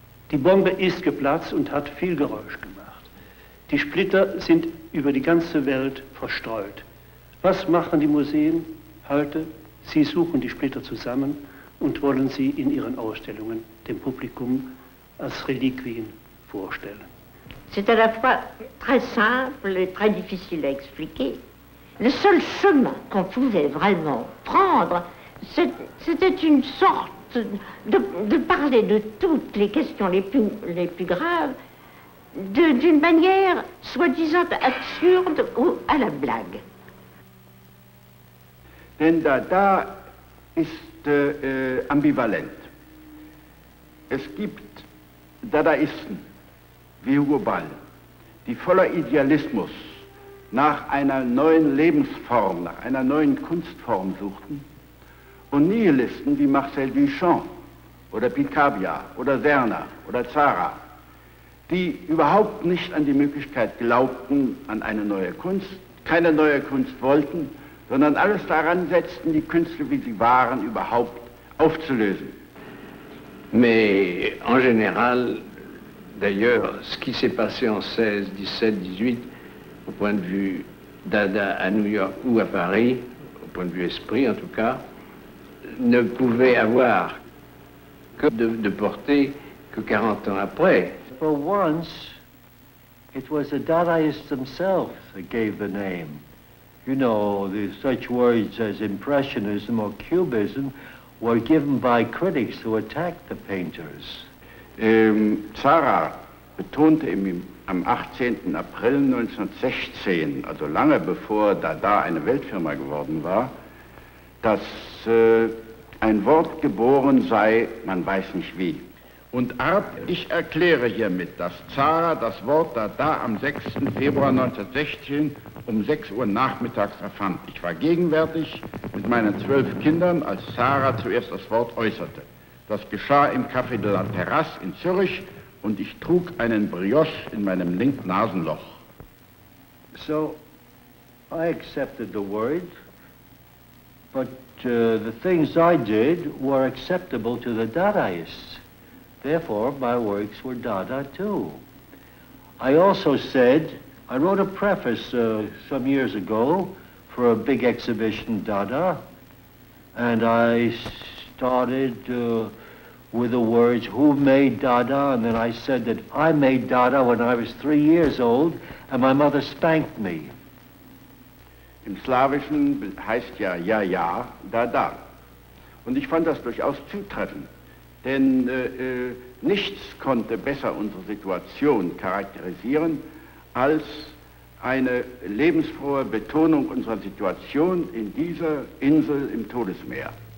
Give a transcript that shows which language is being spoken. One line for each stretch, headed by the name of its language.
German: Die Bombe ist geplatzt und hat viel Geräusch gemacht. Die Splitter sind über die ganze Welt verstreut. Was machen die Museen heute? Sie suchen die Splitter zusammen und wollen sie in ihren Ausstellungen dem Publikum als Reliquien vorstellen.
French: C'est à la fois très simple et très difficile à expliquer. Le seul chemin qu'on pouvait vraiment prendre, c'était une sorte de parler de toutes les questions les plus graves d'une manière soi-disant absurde ou à la blague.
German: Denn Dada ist ambivalent. Es gibt Dadaisten wie Hugo Ball, die voller Idealismus nach einer neuen Lebensform, nach einer neuen Kunstform suchten, und Nihilisten wie Marcel Duchamp oder Picabia oder Serner oder Zara, die überhaupt nicht an die Möglichkeit glaubten, an eine neue Kunst, keine neue Kunst wollten, sondern alles daran setzten, die Künstler, wie sie waren, überhaupt aufzulösen.
French: Mais en général, d'ailleurs, ce qui s'est passé en 16, 17, 18, au point de vue Dada à New York ou à Paris, au point de vue esprit en tout cas, ne pouvait avoir que de portée que 40 ans après.
English: For once, it was the Dadaists themselves that gave the name. You know, such words as impressionism or cubism were given by critics who attacked the painters.
German: Zara betonte am 18. April 1916, also lange bevor Dada eine Weltfirma geworden war, dass ein Wort geboren sei, man weiß nicht wie. Und Arp, ich erkläre hiermit, dass Zara das Wort Dada am 6. Februar 1916 um 6 Uhr nachmittags erfand. Ich war gegenwärtig mit meinen 12 Kindern, als Zara zuerst das Wort äußerte. Das geschah im Café de la Terrasse in Zürich und ich trug einen Brioche in meinem linken Nasenloch.
English: So, I accepted the word, but the things I did were acceptable to the Dadaists. Therefore, my works were Dada too. I also said, I wrote a preface some years ago for a big exhibition Dada, and I started with the words, who made Dada? And then I said that I made Dada when I was 3 years old and my mother spanked me.
German: Im Slawischen heißt ja, ja, ja, Dada. Und ich fand das durchaus zutreffend, denn nichts konnte besser unsere Situation charakterisieren als eine lebensfrohe Betonung unserer Situation in dieser Insel im Todesmeer.